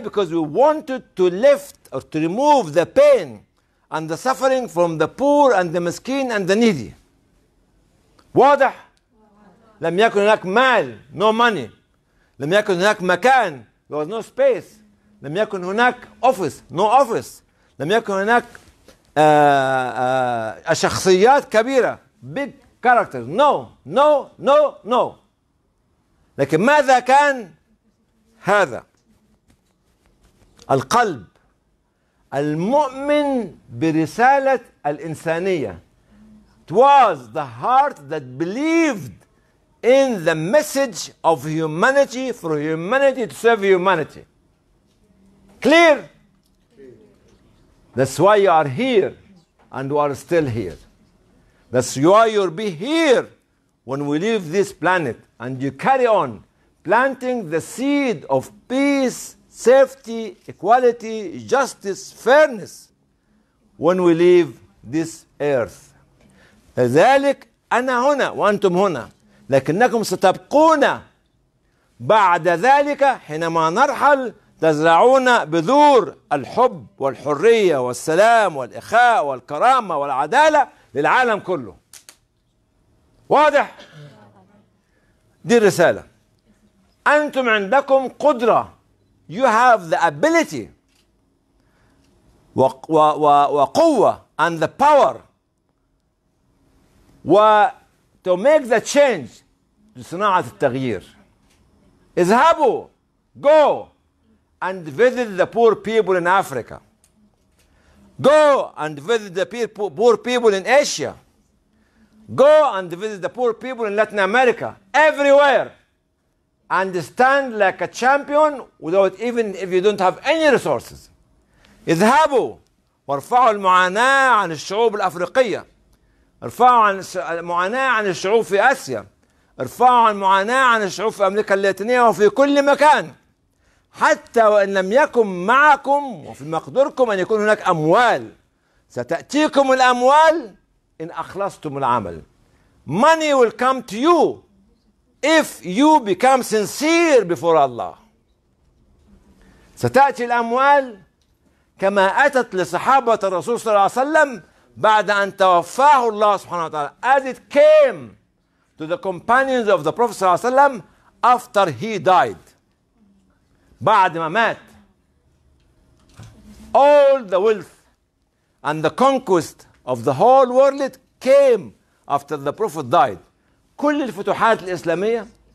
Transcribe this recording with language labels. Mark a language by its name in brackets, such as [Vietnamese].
[English] Because we wanted to lift or to remove the pain and the suffering from the poor and the مسكين and the needy. [Arabic] واضح؟ لم يكن هناك مال, [English] no money. [Arabic] لم يكن هناك مكان, [English] there was no space. [Arabic] لم يكن هناك office, [English] no office. [Arabic] لم يكن هناك شخصيات كبيرة, [English] big characters, no, no, no, no. [Arabic] لكن ماذا كان هذا؟ القلب المؤمن برسالة الإنسانية. [English] It was the heart that believed in the message of humanity for humanity to serve humanity. Clear? That's why you are here and you are still here. That's why you'll be here when we leave this planet and you carry on planting the seed of peace, safety, equality, justice, fairness when we leave this earth. [Arabic] لذلك أنا هنا وأنتم هنا لكنكم ستبقون بعد ذلك حينما نرحل تزرعون بذور الحب والحرية والسلام والإخاء والكرامة والعدالة للعالم كله. واضح؟ دي الرسالة. أنتم عندكم قدرة. [English] You have the ability [Arabic] وقوة [English] and the power to make the change, [Arabic] لصناعة التغيير. اذهبوا. [English] Go. And visit the poor people in Africa. Go and visit the poor people in Asia. Go and visit the poor people in Latin America. Everywhere. And stand like a champion without even if you don't have any resources. [Arabic] اذهبوا وارفعوا المعاناة عن الشعوب الأفريقية. ارفعوا عن المعاناة عن الشعوب في آسيا. ارفعوا عن المعاناة عن الشعوب في أمريكا اللاتينية وفي كل مكان. حتى وإن لم يكن معكم وفي مقدوركم أن يكون هناك أموال, ستأتيكم الأموال إن أخلصتم العمل. [English] Money will come to you if you become sincere before Allah. [Arabic] ستأتي الأموال كما أتت لصحابة الرسول صلى الله عليه وسلم بعد أن توفاه الله سبحانه وتعالى. [English] As it came to the companions of the Prophet [Arabic] صلى الله عليه وسلم [English] after he died. [Arabic] بعد ما مات, [English] all the wealth and the conquest of the whole world came after the Prophet died. [Arabic] كل الفتوحات الإسلامية